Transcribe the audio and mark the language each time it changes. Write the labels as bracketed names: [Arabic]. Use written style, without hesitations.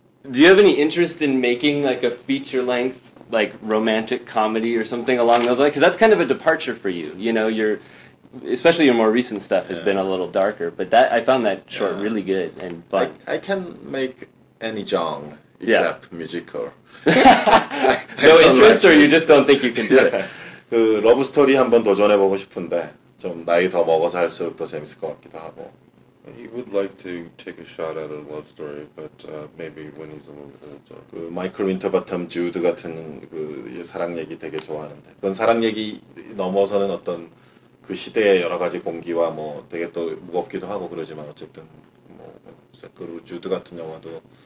[English] Do you have any interest in making, like, a feature-length, like, romantic comedy or something along those lines? Because that's kind of a departure for you. You know, especially your more recent stuff has been a little darker. But that I found that short really good and fun. I can make any genre. Except musical. No interest, or you just don't think you can do it? [Korean] 그 러브 스토리 한번 도전해 보고 싶은데 좀 나이 더 먹어서 할수록 더 재밌을 것 같기도 하고. [English] He would like to take a shot at a love story, but maybe when he's a little bit older. [Korean] 그 마이클 윈터바텀 주드 같은 그 사랑 얘기 되게 좋아하는데 그건 사랑 얘기 넘어서는 어떤 그 시대의 여러 가지 공기와 뭐 되게 또 무겁기도 하고 그러지만 어쨌든 뭐 그 주드 같은 영화도.